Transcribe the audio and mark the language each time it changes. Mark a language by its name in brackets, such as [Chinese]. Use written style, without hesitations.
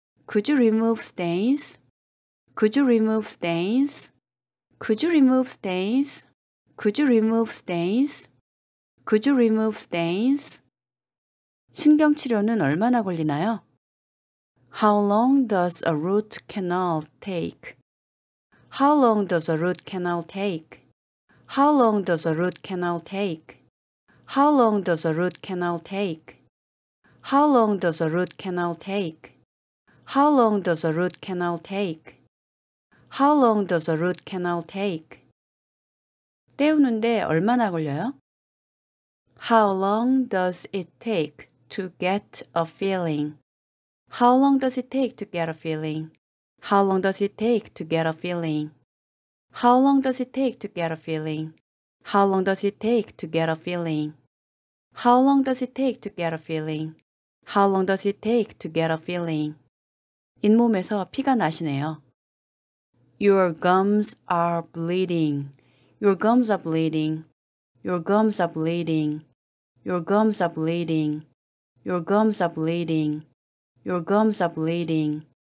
[English] Could you remove stains? Could you remove stains? Could you remove stains? Could you remove stains? Could you remove stains? [Korean] 신경치료는 얼마나 걸리나요? [English] How long does a root canal take? How long does a root canal take? How long does a root canal take? How long does a root canal take? How long does a root canal take? How long does a root canal take? How long does a root canal take? [Korean] 떼우는데 얼마나 걸려요? [English] How long does it take to get a filling? How long does it take to get a filling? How long does it take to get a filling? How long does it take to get a filling? How long does it take to get a filling? How long does it take to get a filling? How long does it take to get a filling? [Korean] 잇몸에서 피가 나시네요. [English] Your gums are bleeding. Your gums are bleeding. Your gums are bleeding. Your gums are bleeding. Your gums are bleeding. Your gums are bleeding.